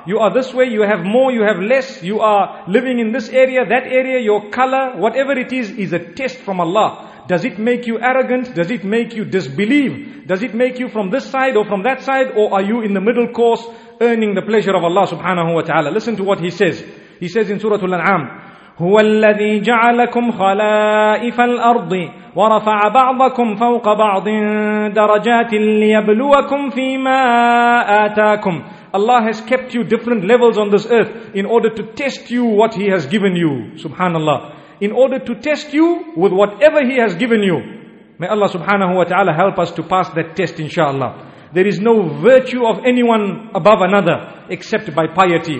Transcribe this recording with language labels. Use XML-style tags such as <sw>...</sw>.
<en>You are this way, you have more, you have less, you are living in this area, that area, your color, whatever it is a test from Allah. Does it make you arrogant? Does it make you disbelieve? Does it make you from this side or from that side? Or are you in the middle course, earning the pleasure of Allah subhanahu wa ta'ala? Listen to what he says. He says in Surah Al-An'am,</en> <ar>هو الذي جعلكم خلائف الأرض ورفع بعضكم فوق بعض درجات ليبلوكم فيما آتاكم.</ar> <en>Allah has kept you different levels on this earth in order to test you what He has given you, subhanallah. In order to test you with whatever He has given you. May Allah subhanahu wa ta'ala help us to pass that test, inshallah. There is no virtue of anyone above another except by piety.</en>